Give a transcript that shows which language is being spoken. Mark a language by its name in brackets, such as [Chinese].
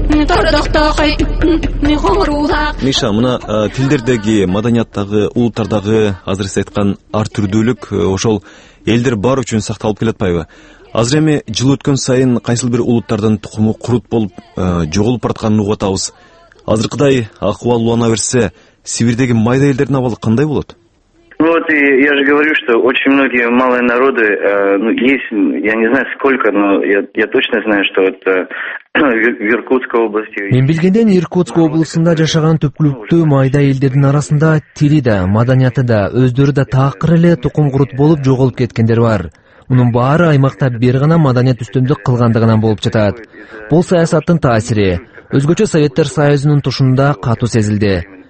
[Kyrgyz] Миша, мына тилдердеги, маданияттагы, улуттардагы азыр сиз айткан ар түрдүүлүк ошол элдер бар үчүн сакталып келатпайбы? Азыр эми жыл өткөн сайын кайсыл бир улуттардын тукуму курут болуп жоголуп баратканын угуп атабыз. Азыркыдай акыбал улана берсе Сибирдеги майда элдердин абалы кандай болот? [Russian] Ну вот я же говорю, что очень многие малые народы, ну есть, я не знаю сколько, но я точно знаю, что вот в Иркутской области. [Kyrgyz] Мен билгенден Иркутск облусунда жашаган түпкүлүктүү майда элдердин арасында тили да, маданияты да, өздөрү да такыр эле тукум курут болуп жоголуп кеткендер бар. Мунун баары аймакта бир гана маданият үстөмдүк кылгандыгынан болуп жатат. Бул саясаттын таасири. Өзгөчө Советтер Союзунун тушунда катуу сезилди.